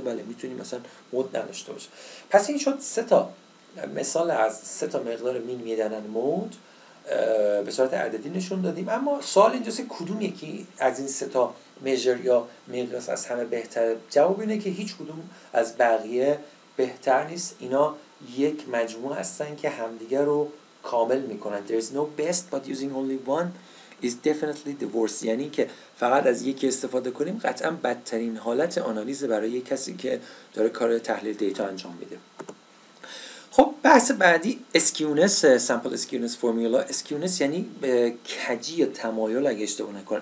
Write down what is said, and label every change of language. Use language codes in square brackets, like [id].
[fa] بله میتونیم مثلا مود نداشته باشه. پس این شد 3 تا مثال از 3 تا مقدار مین میدنن مود به صورت عددی نشون دادیم. اما سوال اینجاست کدوم یکی از این سه تا میجر یا مقیاس از همه بهتره؟ جواب اینه که هیچ کدوم از بقیه بهتر نیست. اینا یک مجموعه هستن که همدیگه رو کامل میکنن. [en] There is no best but using only one is definitely the worst. [fa] یعنی که فقط از یکی استفاده کنیم قطعا بدترین حالت آنالیز برای یک کسی که داره کار تحلیل دیتا انجام میده. خب بحث بعدی اسکیونس، سمپل اسکیونس فرمولا. اسکیونس یعنی کجی یا تمایل، اگه اشتباه نکنم.